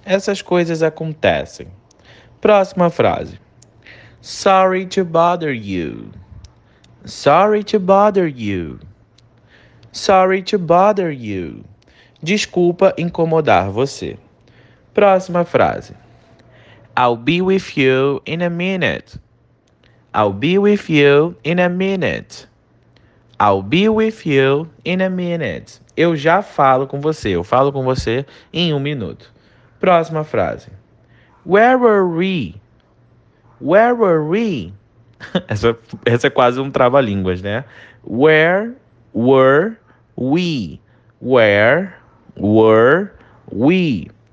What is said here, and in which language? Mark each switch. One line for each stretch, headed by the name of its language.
Portuguese: Essas coisas acontecem. Próxima frase.
English: Sorry to bother you. Sorry to bother you. Sorry to bother you.
Portuguese: Desculpa incomodar você. Próxima frase.
English: I'll be with you in a minute. I'll be with you in a minute. I'll be with you in a minute.
Portuguese: Eu já falo com você. Eu falo com você em 1 minuto. Próxima frase.
English: Where were we? Where were we?
Portuguese: Essa é quase um trava-línguas, né?
English: Where were we? Where were we?